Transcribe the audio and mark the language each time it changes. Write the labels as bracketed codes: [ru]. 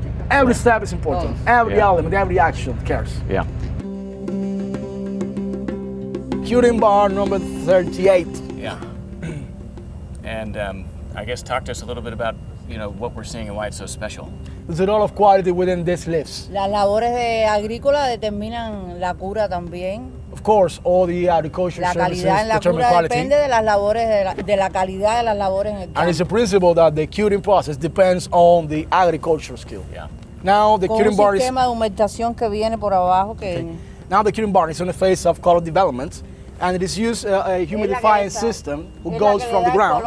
[en] Every step is important. Every element, every action cares. Yeah. Curing bar number 38. Yeah. And I guess talk to us a little bit about, you know, what we're seeing and why it's so special. There's a lot of quality within these leaves. [es] Las labores de agrícola determinan la cura también. [en] Of course, all the agricultural services determine quality. And it's a principle that the curing process depends on the agricultural skill. Yeah. Now the curing bar is. Now the curing bar is in the phase of color development, and it is used a humidifying system who goes from the ground.